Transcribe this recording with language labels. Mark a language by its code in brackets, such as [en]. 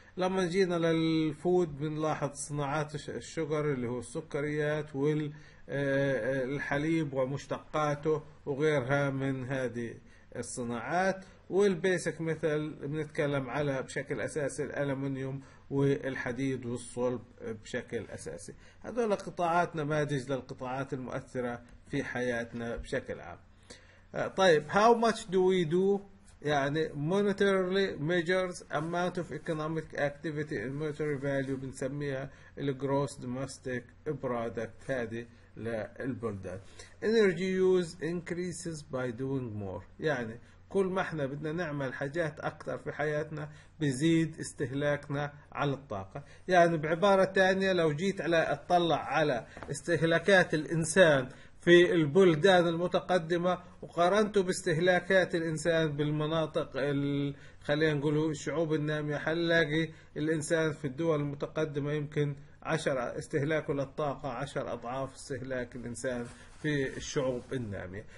[ar] لما جينا للفود بنلاحظ صناعات الشجر اللي هو السكريات والحليب ومشتقاته وغيرها من هذه الصناعات. والبيسك ميتال بنتكلم على بشكل أساسي الألمنيوم والحديد والصلب بشكل أساسي. هذول قطاعات نماذج للقطاعات المؤثرة في حياتنا بشكل عام. طيب، [en] how much do we do؟ [ar] يعني [en] monetarily measures amount of economic activity and monetary value، [ar] بنسميها [en] gross domestic product، [ar] هذه للبلدان. [en] energy use increases by doing more، [ar] يعني كل ما احنا بدنا نعمل حاجات اكثر في حياتنا بزيد استهلاكنا على الطاقة. يعني بعبارة تانية، لو جيت على اطلع على استهلاكات الانسان في البلدان المتقدمة وقارنته باستهلاكات الانسان بالمناطق خلينا نقول الشعوب النامية، حنلاقي الانسان في الدول المتقدمة يمكن عشر استهلاكه للطاقة 10 أضعاف استهلاك الإنسان في الشعوب النامية.